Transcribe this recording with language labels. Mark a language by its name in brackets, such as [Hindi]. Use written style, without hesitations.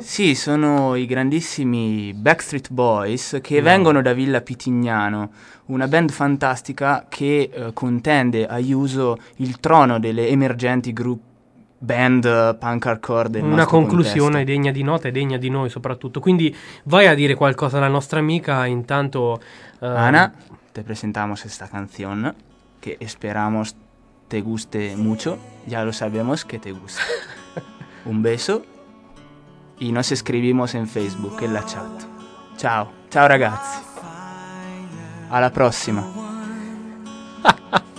[Italian] Sì, sono i grandissimi Backstreet Boys che vengono da Villa Pitignano, una band fantastica che contende a Uso il trono delle emergenti group band punk hardcore del una conclusione contesto. Degna di nota e degna di noi soprattutto, quindi vai a dire qualcosa alla nostra amica intanto [Spanish] Ana, te presentamos esta canción che esperamos te guste mucho, ya lo sabemos que te gusta. Un beso y nos escribimos en Facebook, en la chat. [Italian] Ciao, ciao ragazzi. Alla prossima.